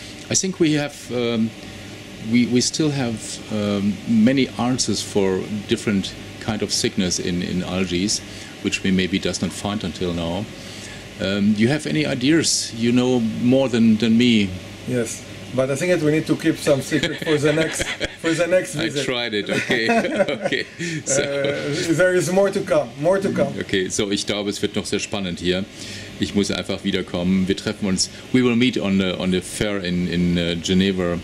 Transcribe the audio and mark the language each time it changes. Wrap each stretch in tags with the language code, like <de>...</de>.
<en>I think we have we still have many answers for different kind of sickness in algaes, which we maybe does not find until now. Do you have any ideas? You know more than me. Yes. But I think that we need to keep some secret for the next visit. I tried it. Okay. So. There is more to come. More to come. Okay.</en> <de>So ich glaube, es wird noch sehr spannend hier. Ich muss einfach wiederkommen. Wir treffen uns.</de> <en>We will meet on the fair in Geneva.</en>